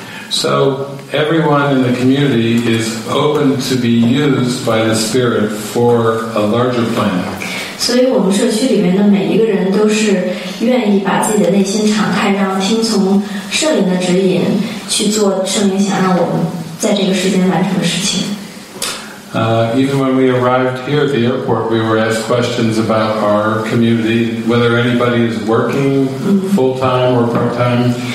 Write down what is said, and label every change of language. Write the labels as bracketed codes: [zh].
[en] So everyone in the community is open to be used by the Spirit for a larger plan. [zh] 所以我们社区里面的每一个人都是愿意把自己的内心敞开，然后听从圣灵的指引，去做圣灵想让我们在这个时间完成的事情。 [en] Even when we arrived here at the airport, we were asked questions about our community, whether anybody is working full-time or part-time.